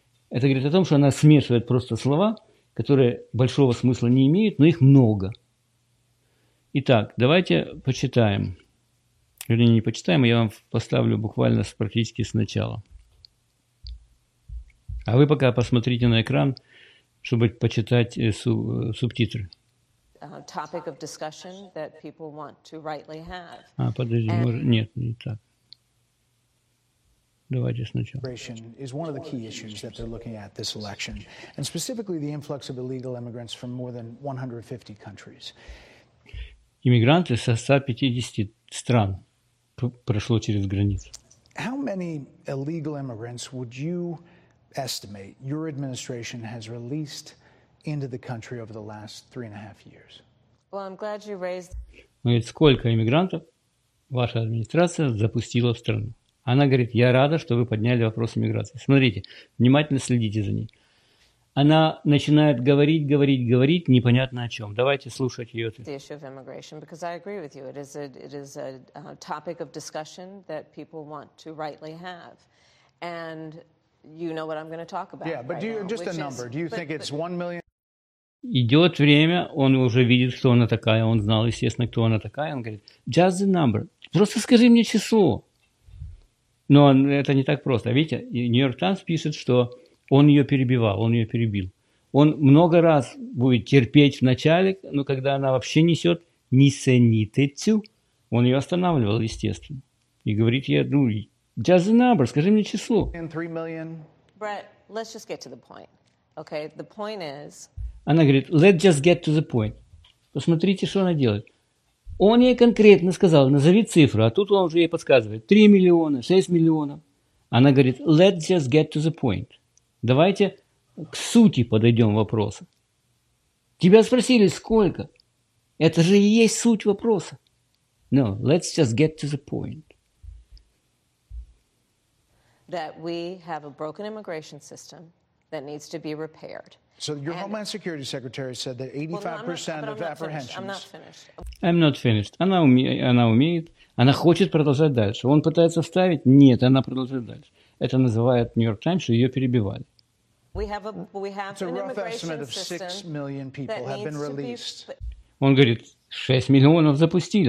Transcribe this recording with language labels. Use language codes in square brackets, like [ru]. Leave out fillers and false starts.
[ru] Это говорит о том, что она смешивает просто слова, которые большого смысла не имеют, но их много. Итак, давайте почитаем. Вернее, не почитаем, а я вам поставлю буквально практически сначала. А вы пока посмотрите на экран, чтобы почитать субтитры. [en] Topic of discussion that people want to rightly have. [ru] А, подожди, нет, не так. Давайте сначала. [en] Immigration is one of the key issues that they're looking at this election, and specifically the influx of illegal immigrants from more than 150 countries. [ru] Иммигранты со 150 стран прошло через границу. [en] How many illegal immigrants would you estimate your administration has released into the country over the last 3.5 years? Well, I'm glad you raised. [ru] Говорит, сколько иммигрантов ваша администрация запустила в страну? Она говорит, я рада, что вы подняли вопрос иммиграции. Смотрите, внимательно следите за ней. Она начинает говорить, непонятно о чем. Давайте слушать ее. [en] The issue of immigration, because I agree with you, it is a topic of discussion that people want to rightly have, and you know what I'm going to talk about. Yeah, but right do you, now, just a number. Is, do you but, think it's but, 1 million? [ru] Идет время, он уже видит, кто она такая. Он знал, естественно, кто она такая. Он говорит, [en] just the number. [ru] Просто скажи мне число. Но это не так просто. Видите, New York Times пишет, что он ее перебивал, он ее перебил. Он много раз будет терпеть вначале, но когда она вообще несет несенитецю, он ее останавливал, естественно. И говорит ей, ну, [en] just the number, [ru] скажи мне число. [en] Brett, let's just get to the point. Okay, the point is... [ru] Она говорит, [en] let's just get to the point. [ru] Посмотрите, что она делает. Он ей конкретно сказал, назови цифру, а тут он уже ей подсказывает, 3 миллиона, 6 миллионов. Она говорит, [en] let's just get to the point. [ru] Давайте к сути подойдем вопроса. Тебя спросили, сколько? Это же и есть суть вопроса. [en] No, let's just get to the point. that we have a broken immigration system that needs to be repaired. So your Homeland Security Secretary said that 85% of apprehensions... I'm not finished. [ru] Она умеет. Она хочет продолжать дальше. Он пытается вставить. Нет, она продолжает дальше. Это называют New York Times, что ее перебивали. Он говорит, 6 миллионов запустили.